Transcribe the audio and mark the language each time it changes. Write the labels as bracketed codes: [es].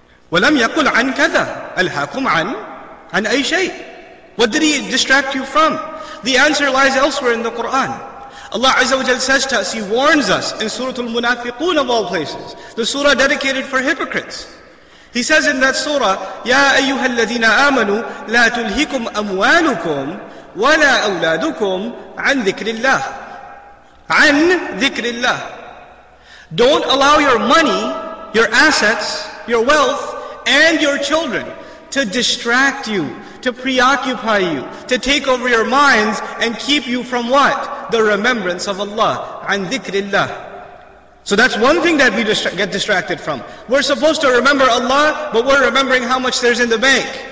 [ar] وَلَمْ يَقُلْ عَنْ كَذَا أَلْهَاكُمْ عَنْ أَيْ شَيْءٍ. [en] What did He distract you from? The answer lies elsewhere in the Qur'an. Allah Azza wa Jal says to us, He warns us in Surah Al-Munafiqoon of all places, the surah dedicated for hypocrites. He says in that surah, [ar] يَا أَيُّهَا الَّذِينَ آمَنُوا لَا تُلْهِكُمْ أَمْوَالُكُمْ وَلَا أَوْلَادُكُمْ عَنْ ذِكْرِ اللَّهِ عَنْ ذِكْرِ اللَّهِ. [en] Don't allow your money, your assets, your wealth, and your children to distract you, to preoccupy you, to take over your minds and keep you from what? The remembrance of Allah. [ar] عَنْ ذِكْرِ اللَّهِ. [en] So that's one thing that we get distracted from. We're supposed to remember Allah, but we're remembering how much there's in the bank.